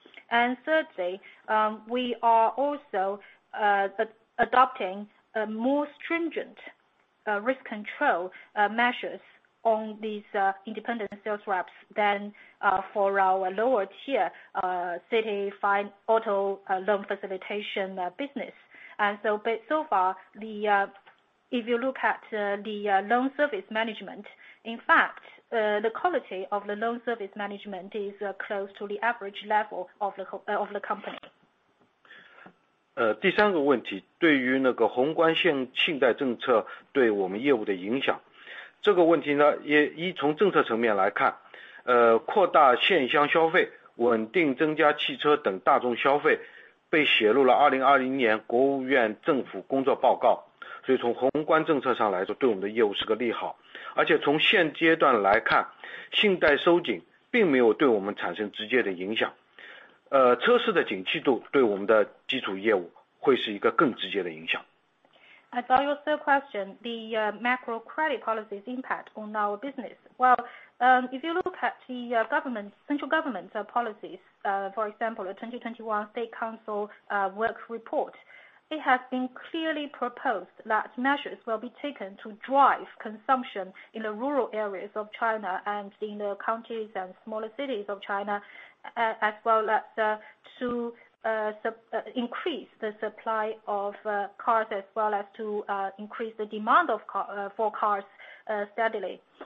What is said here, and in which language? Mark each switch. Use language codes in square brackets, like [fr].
[en] And thirdly, we are also adopting a more stringent risk control measures on these independent sales reps than for our lower tier city fine auto loan facilitation business. And so but so far, the if you look at the loan service management, in fact, the quality of the loan service management is close to the average level of the company. [zh] 第三个问题，对于那个宏观性信贷政策对我们业务的影响。这个问题呢，也一从政策层面来看，扩大线香消费，稳定增加汽车等大众消费，被写入了2020年国务院政府工作报告。所以从宏观政策上来说，对我们的业务是个利好。而且从现阶段来看，信贷收紧并没有对我们产生直接的影响。车市的景气度对我们的基础业务会是一个更直接的影响。 [en] About your third question, the macro credit policy's impact on our business. Well, if you look at the central government's policies, for example, the 2021 State Council work report, it has been clearly proposed that measures will be taken to drive consumption in the rural areas of China and in the counties and smaller cities of China, as well as to increase the supply of cars as well as to increase the demand of for cars steadily.